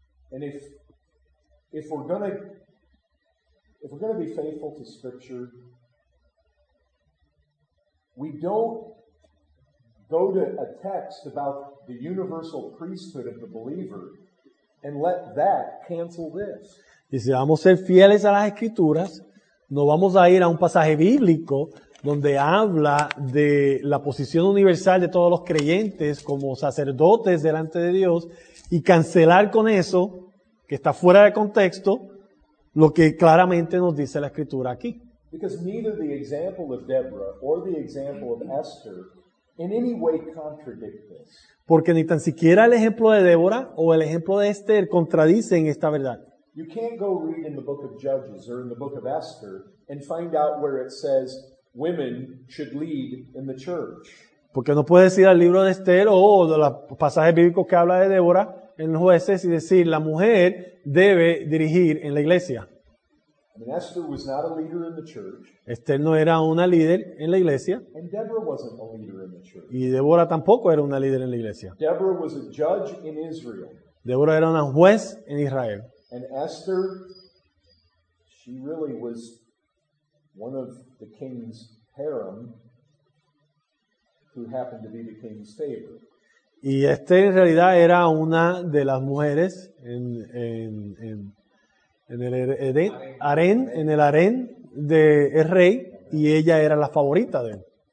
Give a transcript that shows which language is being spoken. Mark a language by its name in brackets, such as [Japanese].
[English] And if we're gonna be faithful to Scripture, we don't go to a text about the universal priesthood of the believer and let that cancel this. [Spanish] Y si vamos a ser fieles a las Escrituras, no vamos a ir a un pasaje bíblico donde habla de la posición universal de todos los creyentes como sacerdotes delante de Dios y cancelar con eso, que está fuera de contexto, lo que claramente nos dice la Escritura aquí. [English] Because neither the example of Deborah or the example of Esther in any way contradict this. [Spanish] Porque ni tan siquiera el ejemplo de Débora o el ejemplo de Esther contradicen esta verdad. [English] You can't go read in the book of Judges or in the book of Esther and find out where it says women should lead in the church. [Spanish] Porque no puedes ir al libro de Esther o de los pasajes bíblicos que habla de Débora en los jueces y decir la mujer debe dirigir en la iglesia. [English] I mean, Esther was not a leader in the church. [Spanish] Esther no era una líder en la iglesia. [English] And Deborah wasn't a leader in the church. [Spanish] Y Débora tampoco era una líder en la iglesia. [English] Deborah was a judge in Israel. [Spanish] Débora era una juez en Israel. [English] And Esther, she really was one of the king's harem who happened to be the king's favorite. [Spanish] Y Esther en realidad era una de las mujeres en el harén del rey y ella era la favorita de él.